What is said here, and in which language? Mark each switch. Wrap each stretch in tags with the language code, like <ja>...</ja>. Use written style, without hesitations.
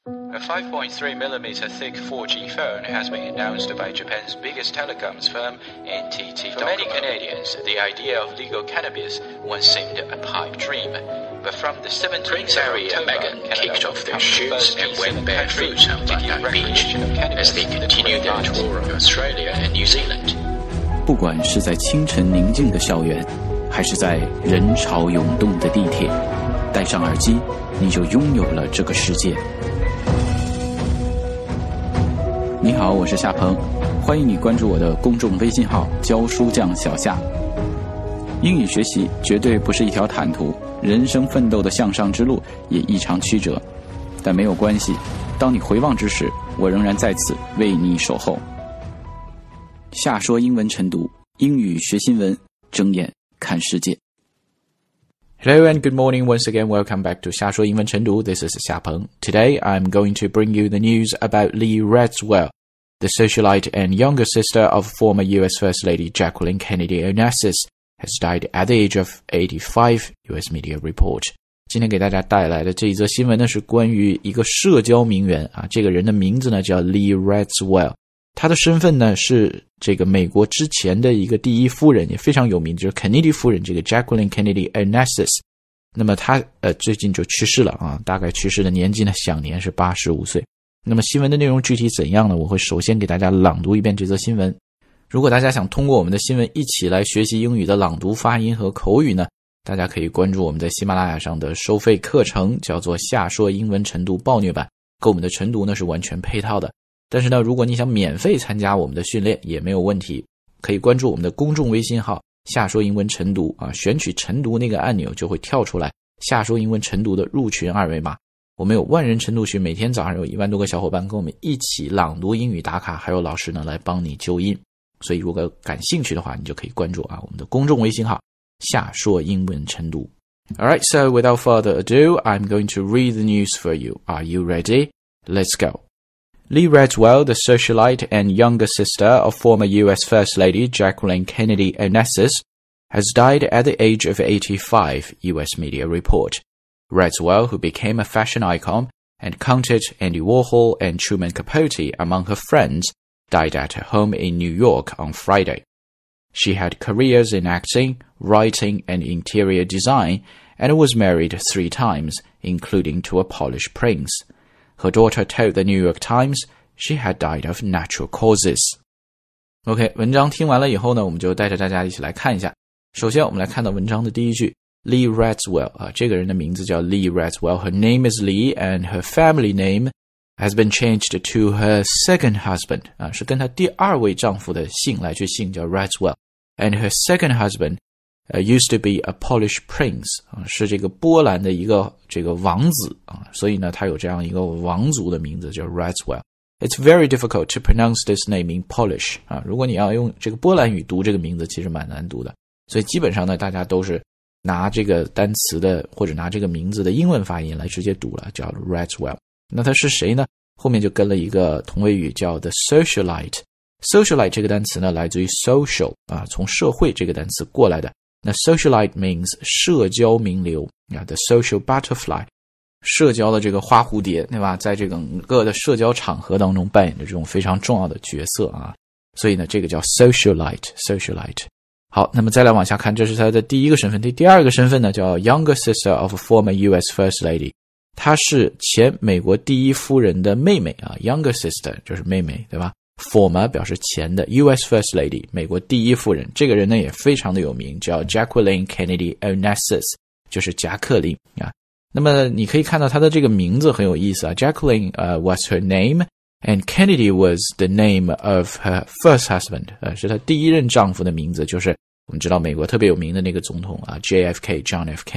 <en>A 5.3mm thick 4G phone has been announced by Japan's biggest telecoms firm, NTT Docomo. For many Canadians, the idea of legal cannabis once seemed a pipe dream. But from the 7th Prince Harry and Meghan kicked off their shoots and went barefoot on Bundang Beach as they continued their tour of Australia and New Zealand.</en> <zh>不管是在清晨宁静的校园，还是在人潮涌动的地铁，戴上耳机，你就拥有了这个世界。你好，我是夏鹏，欢迎你关注我的公众微信号教书匠小夏。英语学习绝对不是一条坦途，人生奋斗的向上之路也异常曲折，但没有关系，当你回望之时，我仍然在此为你守候。夏说英文晨读，英语学新闻，睁眼看世界。</zh> <en>Hello and good morning once again. Welcome back to 夏说英文晨读. This is 夏鹏. Today, I'm going to bring you the news about Lee Radswell, the socialite and younger sister of former U.S. First Lady Jacqueline Kennedy Onassis, has died at the age of 85, U.S. media report.</en> <zh>今天给大家带来的这一则新闻呢是关于一个社交名媛啊，这个人的名字呢叫 Lee Radswell. 他的身份呢是这个美国之前的一个第一夫人，也非常有名，就是肯尼迪夫人，这个 Jacqueline Kennedy Onassis。那么她最近就去世了啊，大概去世的年纪呢享年是85岁。那么新闻的内容具体怎样呢，我会首先给大家朗读一遍这则新闻。如果大家想通过我们的新闻一起来学习英语的朗读发音和口语呢，大家可以关注我们在喜马拉雅上的收费课程，叫做夏说英文晨读暴虐版，跟我们的晨读呢是完全配套的。但是呢，如果你想免费参加我们的训练也没有问题，可以关注我们的公众微信号夏说英文晨读啊，选取晨读那个按钮就会跳出来夏说英文晨读的入群二维码。我们有万人晨读群，每天早上有10000多个小伙伴跟我们一起朗读英语打卡，还有老师呢来帮你纠音。所以如果感兴趣的话，你就可以关注啊我们的公众微信号夏说英文晨读。</zh> <en>Alright, so without further ado, I'm going to read the news for you. Are you ready? Let's go. Lee Radswell, the socialite and younger sister of former U.S. First Lady Jacqueline Kennedy Onassis, has died at the age of 85, U.S. media report. Radswell, who became a fashion icon and counted Andy Warhol and Truman Capote among her friends, died at her home in New York on Friday. She had careers in acting, writing and interior design, and was married 3 times, including to a Polish prince. Her daughter told the New York Times she had died of natural causes.</en> <zh>OK, 文章听完了以后呢，我们就带着大家一起来看一下。首先我们来看到文章的第一句， Lee Radswell, 这个人的名字叫 Lee Radswell.</zh> <en>Her name is Lee and her family name has been changed to her second husband,</en> <zh>是跟她第二位丈夫的姓来去姓，叫</zh> <en>Radswell. And her second husbandused to be a Polish prince,</en> <zh>是这个波兰的一个这个王子、所以呢他有这样一个王族的名字叫 Radswell.</zh> <en>It's very difficult to pronounce this name in Polish,、</en> <zh>如果你要用这个波兰语读这个名字其实蛮难读的。所以基本上呢大家都是拿这个单词的或者拿这个名字的英文发音来直接读了，叫 Radswell. 那他是谁呢，后面就跟了一个同位语叫 The Socialite. Socialite 这个单词呢来自于 social,、从社会这个单词过来的。那 socialite means 社交名流、</zh> <en>the social butterfly,</en> <zh>社交的这个花蝴蝶，对吧，在这个整个的社交场合当中扮演着这种非常重要的角色啊。所以呢这个叫 socialite。好，那么再来往下看，这是他的第一个身份。第二个身份呢叫</zh> <en>younger sister of former US first lady。</en> <zh>她是前美国第一夫人的妹妹啊，</zh> <en>younger sister,</en> <zh>就是妹妹，对吧。 Former 表示前的 US First Lady 美国第一夫人，这个人呢也非常的有名，叫 Jacqueline Kennedy Onassis, 就是贾克林、那么你可以看到他的这个名字很有意思啊，</zh> <en>Jacqueline was her name and Kennedy was the name of her first husband,</en> <zh>是他第一任丈夫的名字，就是我们知道美国特别有名的那个总统啊， JFK, John F.</zh>